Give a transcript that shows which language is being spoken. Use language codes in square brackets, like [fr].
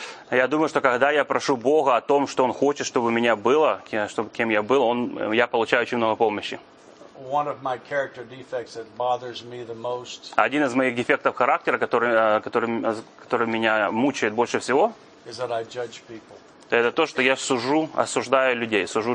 [ru] Я думаю, что когда я прошу Бога о том, что Он хочет, чтобы у меня было, чтобы кем я был, я получаю очень много помощи. [en] One of my character defects that bothers me the most. [ru] Один из моих дефектов характера, который меня мучает больше всего, [en] is that I judge people. [ru] Это то, что я осуждаю людей.